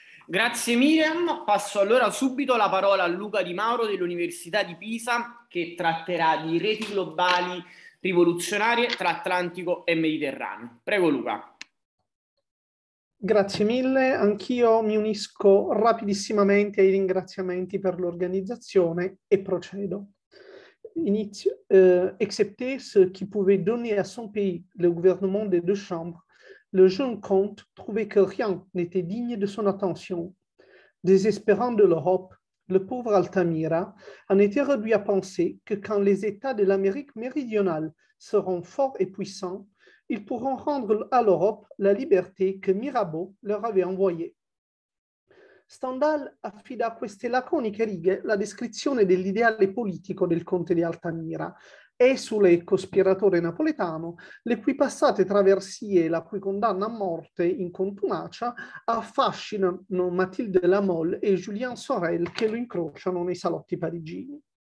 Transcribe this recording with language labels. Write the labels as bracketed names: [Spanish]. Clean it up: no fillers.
[Italian] Grazie Miriam, passo allora subito la parola a Luca Di Mauro dell'Università di Pisa, che tratterà di reti globali rivoluzionarie tra Atlantico e Mediterraneo. Prego Luca. Grazie mille, anch'io mi unisco rapidissimamente ai ringraziamenti per l'organizzazione e procedo. Inizio, [French] excepté ce qui pouvait donner à son pays le gouvernement des deux chambres, le jeune comte trouvait que rien n'était digne de son attention. Désespérant de l'Europe, le pauvre Altamira en était réduit à penser que quand les États de l'Amérique méridionale seront forts et puissants, ils pourront rendre à l'Europe la liberté que Mirabeau leur avait envoyée. [Italian] Stendhal affida a queste laconiche righe la descrizione dell'ideale politico del conte di Altamira, esule e cospiratore napoletano, le cui passate traversie e la cui condanna a morte in contumacia affascinano Mathilde Lamolle e Julien Sorel, che lo incrociano nei salotti parigini.